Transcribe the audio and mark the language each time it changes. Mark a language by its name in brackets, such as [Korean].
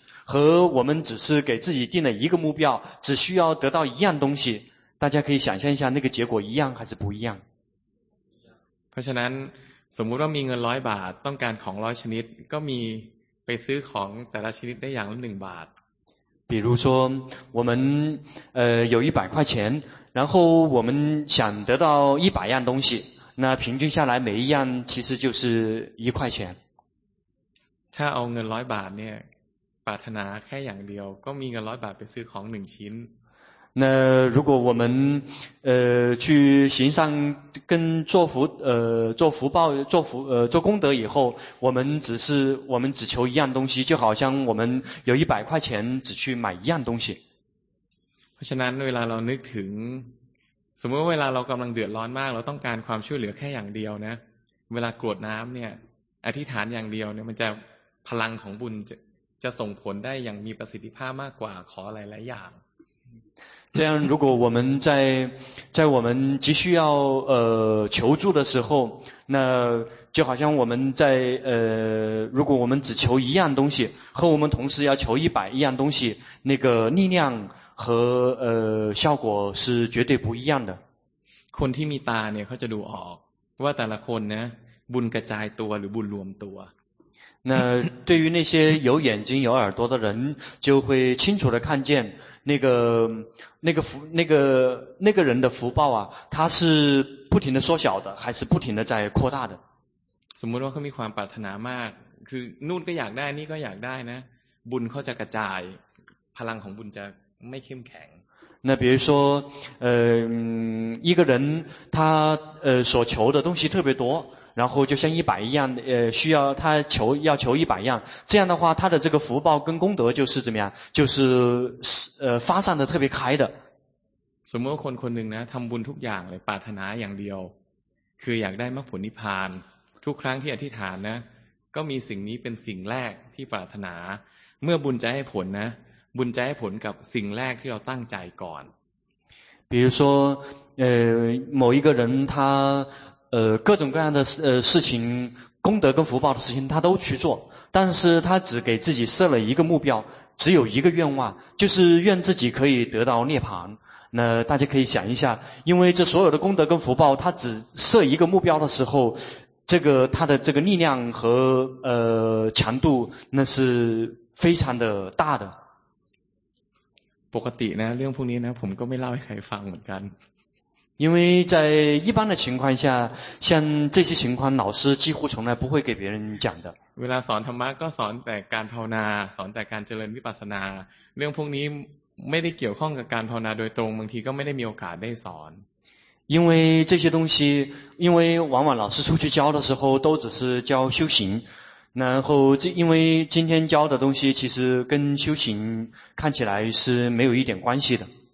[Chinese] 和我们只是给自己定了一个目标，只需要得到一样东西，大家可以想象一下，那个结果一样还是不一样？ [Thai] เพราะฉะนั้น สมมติว่ามีเงินร้อยบาทต้องการของร้อยชนิดก็มีไปซื้อของแต่ละชนิดได้อย่างละหนึ่งบาท [Chinese] 比如说我们有一百块钱，然后我们想得到一百样东西，那平均下来每一样其实就是一块钱。 [Thai] ถ้าเอาเงินร้อยบาทเนี่ยปรารถนาแค่อย่างเดียวก็มีเงินร้อยบาทไปซื้อของหนึ่งชิ้น [Chinese] 那如果我们去行善跟做福做福报做福做功德以后，我们只求一样东西，就好像我们有一百块钱只去买一样东西。 [Thai] เพราะฉะนั้นเวลาเรานึกถึงสมมติเวลาเรากำลังเดือดร้อนมากเราต้องการความช่วยเหลือแค่อย่างเดียวนะเวลากรวดน้ำเนี่ยอธิษฐานอย่างเดียวเนี่ยมันจะพลังของบุญจะส่งผลได้อย่างมีประสิทธิภาพมากกว่าขอหลายๆอย่าง [Chinese] 这样如果我们在我们急需要求助的时候，那就好像我们在如果我们只求一样东西，和我们同时要求一百一样东西，那个力量和效果是绝对不一样的。 [Thai] คนที่มีตาเนี่ยเขาจะดูออกว่าแต่ละคนนะบุญกระจายตัวหรือบุญรวมตัว [Chinese] 那对于那些有眼睛有耳朵的人，就会清楚的看见那个人的福报啊，他是不停的缩小的，还是不停的在扩大的？ [Thai] สมมติว่าเขามีความปรารถนามากคือนู่นก็อยากได้นี่ก็อยากได้นะบุญเขาจะกระจายพลังของบุญจะไม่เข้มแข็ง [Chinese] 那比如说一个人他所求的东西特别多，然后就像一百一样需要他要求一百样，这样的话他的这个福报跟功德就是怎么样，就是发散的特别开的。 [Thai] สมมติคนคนหนึ่งนะทำบุญทุกอย่างเลยปรารถนาอย่างเดียวคืออยากได้มรรคผลนิพพานทุกครั้งที่อธิษฐานนะก็มีสิ่งนี้เป็นสิ่งแรกที่ปรารถนาเมื่อบุญจะให้ผลนะบุญจะให้ผลกับสิ่งแรกที่เราตั้งใจก่อน [Chinese] 比如说某一个人他各种各样的事情，功德跟福报的事情，他都去做，但是他只给自己设了一个目标，只有一个愿望，就是愿自己可以得到涅槃。那大家可以想一下，因为这所有的功德跟福报，他只设一个目标的时候，这个他的这个力量和强度，那是非常的大的。 [Thai] ปกตินะ เรื่องพวกนี้นะ ผมก็ไม่เล่าให้ใครฟังเหมือนกัน [Chinese] 因为在一般的情况下，像这些情况，老师几乎从来不会给别人讲的。 [Thai] เวลาสอนธรรมะก็สอนแต่การภาวนาสอนแต่การเจริญวิปัสสนาเรื่องพวกนี้ไม่ได้เกี่ยวข้องกับการภาวนาโดยตรงบางทีก็ไม่ได้มีโอกาสได้สอน [Chinese] 因为这些东西，因为往往老师出去教的时候都只是教修行，然后这因为今天教的东西其实跟修行看起来是没有一点关系的。